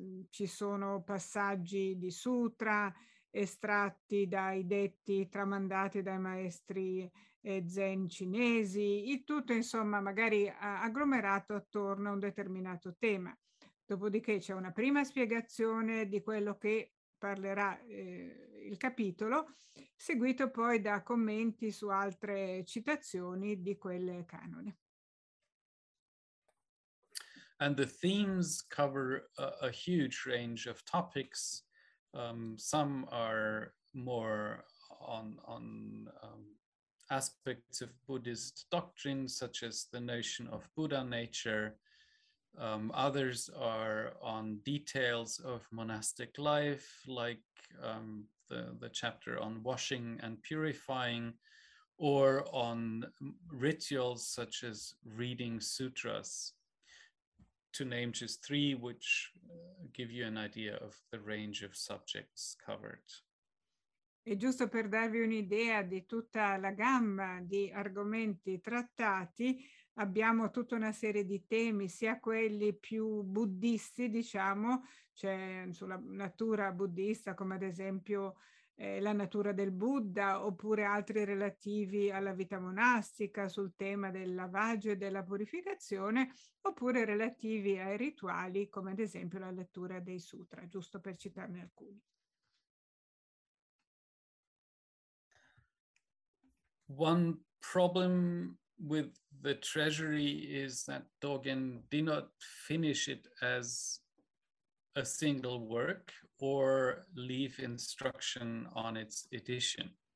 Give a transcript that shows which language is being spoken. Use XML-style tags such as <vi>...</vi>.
<it>ci sono passaggi di sutra estratti dai detti tramandati dai maestri zen cinesi, il tutto insomma magari agglomerato attorno a un determinato tema. Dopodiché c'è una prima spiegazione di quello che parlerà il capitolo, seguito poi da commenti su altre citazioni di quel canone.</it> <en>And the themes cover a huge range of topics. Some are more on aspects of Buddhist doctrine, such as the notion of Buddha nature. Others are on details of monastic life, like the chapter on washing and purifying, or on rituals such as reading sutras, to name just three, which give you an idea of the range of subjects covered.</en> <it>E giusto per darvi un'idea di tutta la gamma di argomenti trattati, abbiamo tutta una serie di temi, sia quelli più buddisti, diciamo, cioè sulla natura buddista, come ad esempio la natura del Buddha, oppure altri relativi alla vita monastica, sul tema del lavaggio e della purificazione, oppure relativi ai rituali, come ad esempio la lettura dei sutra, giusto per citarne alcuni.</it> <en>One problem with the treasury is that Dogen did not finish it as a single work or leave instruction on its edition.</en>